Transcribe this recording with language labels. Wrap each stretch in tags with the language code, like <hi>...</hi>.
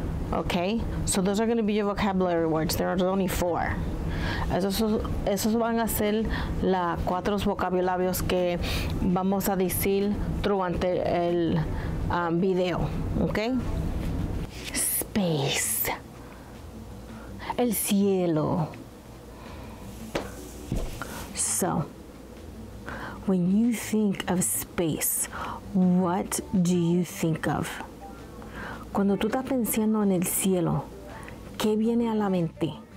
<en>Okay, so those are going to be your vocabulary words. There are only four.</en> <es>Esos van a ser las cuatro vocabularios que vamos a decir durante el video.</es> <en>Okay, space.</en> <es>El cielo.</es> <en>So, when you think of space, what do you think of?</en> <es>Cuando tú estás pensando en el cielo, ¿qué viene a la mente?</es>